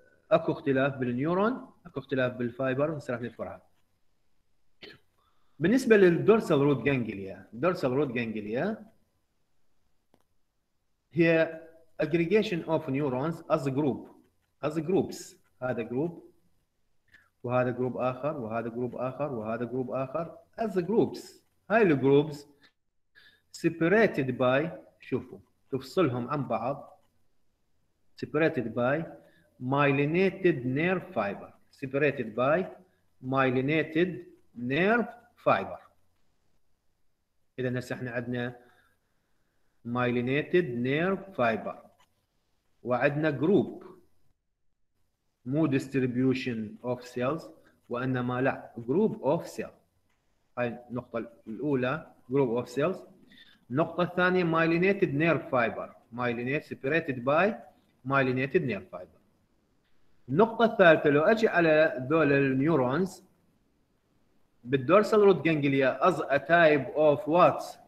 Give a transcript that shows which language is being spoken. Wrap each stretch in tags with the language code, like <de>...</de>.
<ar>اكو اختلاف بالنيورون اكو اختلاف بالفايبر نشرح للفرعه بالنسبه للدورسال رود جانجليا دورسال رود جانجليا هي اجريجيشن اوف نيورونز از جروب از جروبس هذا جروب وهذا جروب آخر وهذا جروب آخر وهذا جروب آخر</ar> <en>as groups. هاي الجروبز separated by,</en> <ar>شوفوا تفصلهم عن بعض,</ar> <en>separated by myelinated nerve fiber, separated by myelinated nerve fiber.</en> <ar>إذا هسه إحنا عندنا myelinated nerve fiber وعندنا group مو</ar> <en>distribution of cells</en> <ar>وإنما لا</ar> <en>group of cells.</en> <ar>هاي النقطة الأولى</ar> <en>group of cells.</en> <ar>النقطة الثانية</ar> <en>myelinated nerve fiber, myelinated separated by myelinated nerve fiber.</en> <ar>النقطة الثالثة لو أجي على ذول النيورونز بالدورسال روت جانجليا</ar> <en>as a type of what?</en>